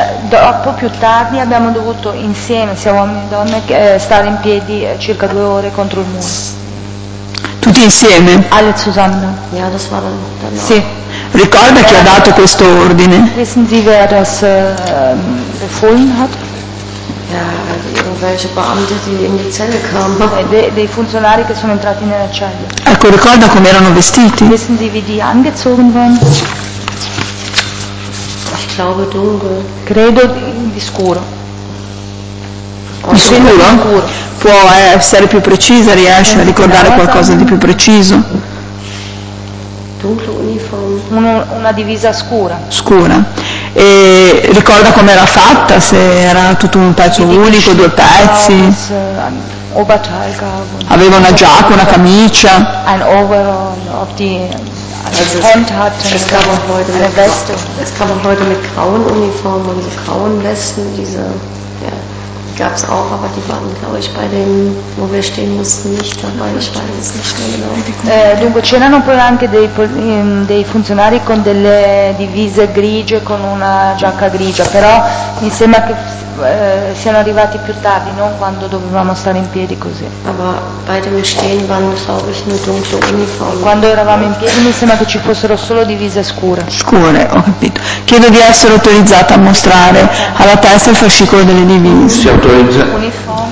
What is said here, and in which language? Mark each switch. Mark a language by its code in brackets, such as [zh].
[it] Dopo più tardi abbiamo dovuto insieme, sia uomini e donne, stare in piedi circa 2 ore contro il muro. Tutti insieme? [de] Alle zusammen. Ja, das war dann auch. [it] Sì. Ricorda chi ha dato questo ordine? [de] Wissen Sie, wer das befohlen hat? Ja, irgendwelche Beamte, die in die Zelle kamen. [it] Dei funzionari che sono entrati nella cella. Ecco, ricorda come erano vestiti? [de] Wissen Sie, wie die angezogen waren? Ich glaube dunkel. [it] Credo di scuro. Di scuro? Può essere più precisa, riesce a ricordare qualcosa di più preciso? [de] Dunkle uniform. [it] Una divisa scura. Scura. E ricorda com'era fatta, se era tutto un pezzo unico, 2 pezzi? [de] Oberteil gab. [it] Aveva una giacca, una camicia? [de] Ein overall, ob die... Das kann man heute mit grauen Uniformen und so grauen Westen, diese, ja, die gab es auch, aber die waren, glaube ich, bei dem, wo wir stehen mussten, nicht dabei, ich weiß es nicht mehr genau. [it] Dunque, c'erano poi anche dei funzionari con delle divise grigie, con una giacca grigia, però mi sembra che siano arrivati più tardi, non quando dovevamo stare in piedi così. [de] Aber bei dem Stehen waren, glaube ich, nur dunkle Uniformen. [it] Quando eravamo in piedi mi sembra che ci fossero solo divise scure. Scure, ho capito. Chiedo di essere autorizzata a mostrare alla testa il fascicolo delle divise. Si autorizza.